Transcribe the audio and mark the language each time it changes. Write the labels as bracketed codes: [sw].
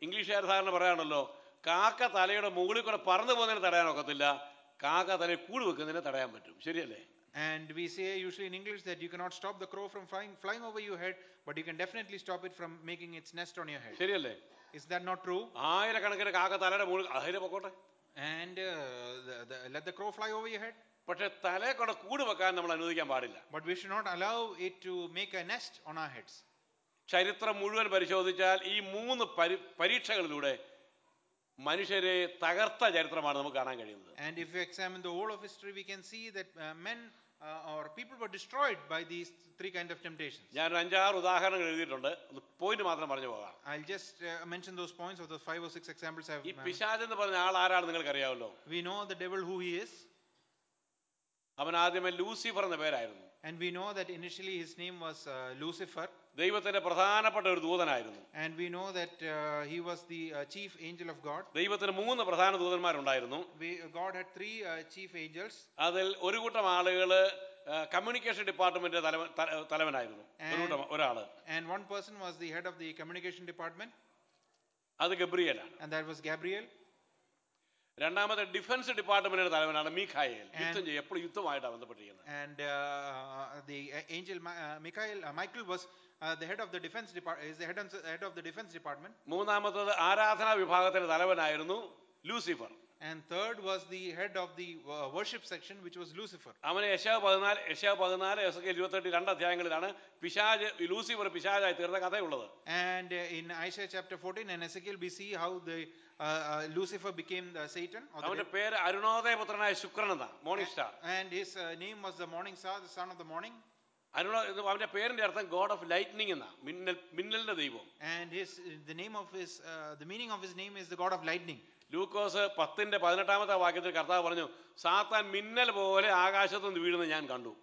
[ml] ഇംഗ്ലീഷിൽ സാധാരണ പറയാനല്ലോ, കാക്ക തലയുടെ മുകളിൽ കൂടെ പറന്നു പോകുന്നതിനെ തടയാൻ ഒക്കത്തില്ല, കാക്ക തലയിൽ കൂട് വെക്കുന്നതിനെ തടയാൻ പറ്റും. ശരിയല്ലേ? [en] And we say usually in English that you cannot stop the crow from flying over your head, but you can definitely stop it from making its nest on your head. [ml] ശരിയല്ലേ? [en] Is that not true? [ml] ആയിര കണക്കിന് കാക്ക തലയുടെ മുകളിൽ അഹരെ പോകട്ടെ. [en] And let the crow fly over your head. [ml] പക്ഷേ തലയ്ക്കൂടെ കൂട് വെക്കാൻ നമ്മൾ അനുവദിക്കാൻ പാടില്ല. [en] But we should not allow it to make a nest on our heads. [ml] ചരിത്രം മുഴുവൻ പരിശോധിച്ചാൽ ഈ മൂന്ന് പരീക്ഷകളിലൂടെ മനുഷ്യരെ തകർത്ത ചരിത്രമാണ് നമുക്ക് കാണാൻ കഴിയുന്നത്. [en] And if we examine the whole of history, we can see that men or people were destroyed by these three kind of temptations. [ml] ഞാൻ അഞ്ചാറ് ഉദാഹരണങ്ങൾ എഴുതിയിട്ടുണ്ട്, ഒന്ന് പോയിന്റ് മാത്രം പറഞ്ഞു പോകാം. [en] I'll just mention those points of the five or six examples I've. [ml] ഈ പിശാച് എന്ന് പറഞ്ഞ ആൾ ആരാണെന്ന് നിങ്ങൾക്ക് അറിയാമല്ലോ. [en] We know the devil who he is. [ml] അവൻ ആദ്യമേ ലൂസിഫർ എന്ന പേരായിരുന്നു. [en] And we know that initially his name was Lucifer. [ml] ദൈവത്തിന്റെ പ്രധാനപ്പെട്ട ഒരു ദൂതനായിരുന്നു. [en] And we know that he was the chief angel of God. [ml] ദൈവത്തിന് മൂന്ന് പ്രധാന ദൂതന്മാരുണ്ടായിരുന്നു. [en] God had three chief angels. [ml] അതിൽ ഒരു കൂട്ടം ആളുകൾ communication department തലവനായിരുന്നു. [en] And one person was the head of the communication department. [ml] അത് ഗബ്രിയേൽ ആണ്. [en] And that was Gabriel. [ml] രണ്ടാമത്തെ ഡിഫൻസ് ഡിപ്പാർട്ട്മെന്റിന്റെ തലവനാണ് മീഖായേൽ. യുദ്ധം ചെയ്യും, എപ്പോഴും യുദ്ധമായിട്ടാണ് ബന്ധപ്പെട്ടിരിക്കുന്നത്. [en] And the angel Michael, Michael was the head of the defense department, is the head of the defense department. [ml] മൂന്നാമത്തേത് ആരാധന വിഭാഗത്തിന്റെ തലവനായിരുന്നു Lucifer. [en] And third was the head of the worship section, which was Lucifer. [ml] അവനെ യെശയ്യാ 14 ഹെസ്കേൽ 22 രണ്ട് അധ്യായങ്ങളിലാണ് പിശാച്, Lucifer പിശാചായി തീർന്ന കഥയുള്ളത്. [en] And in Isaiah chapter 14 and Ezekiel we see how the Lucifer became the Satan. [ml] അവന്റെ പേര് അരുണോദയ പുത്രനായ ശുക്രൻ എന്നാ, morning star. [en] And his name was the morning star, the son of the morning. [ml] അവന്റെ പേരിന്റെ അർത്ഥം ഗോഡ് ഓഫ് ലൈറ്റ്നിംഗ് എന്നാ, മിന്നലിന്റെ ദൈവം. [en] And his the name of his the meaning of his name is the god of lightning. [ml] ലൂക്കോസ് 10 18 വാക്യത്തിൽ കർത്താവ് പറഞ്ഞു, സാത്താൻ മിന്നൽ പോലെ ആകാശത്തു നിന്ന് വീഴുന്നത് ഞാൻ കണ്ടു.